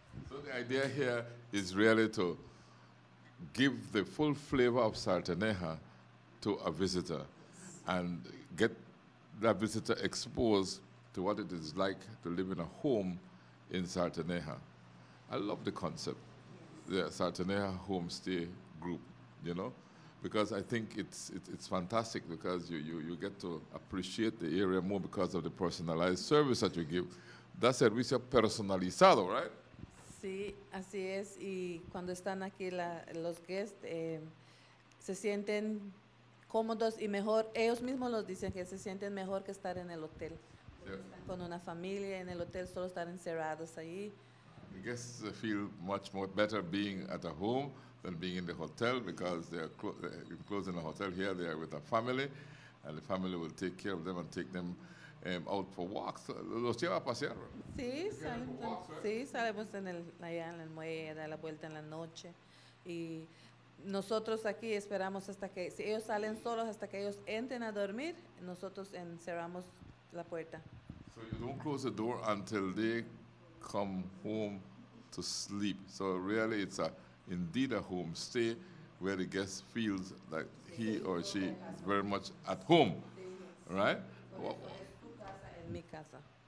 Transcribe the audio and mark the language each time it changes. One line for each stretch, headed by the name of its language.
English: So the idea here is really to give the full flavor of Sarteneja to a visitor, and get that visitor exposed to what it is like to live in a home in Sarteneja. I love the concept, the Sarteneja Home Stay Group. You know, because I think it's fantastic, because you get to appreciate the area more because of the personalized service that you give. That
Spanish: servicio personalizado,
English: right?
Spanish: Sí, así es. Y cuando están aquí los guests se sienten cómodos y mejor. Ellos mismos los dicen que se sienten mejor que estar en el hotel.
English: Yeah.
Spanish: Con una familia en el hotel, solo estar encerrados ahí.
English: The guests feel much more better being at a home than being in the hotel, because they are enclosed in a hotel. Here they are with a family, and the family will take care of them and take them out for walks.
Spanish: Los lleva a pasear. Sí, salimos en el allá en el muelle, da la vuelta en la noche, y nosotros aquí esperamos hasta que si ellos salen solos, hasta que ellos entren a dormir, nosotros encerramos la puerta.
English: So you don't close the door until they come home to sleep. So really, it's indeed a home stay where the guest feels that he or she is very much at home, right?
Spanish: Mi casa.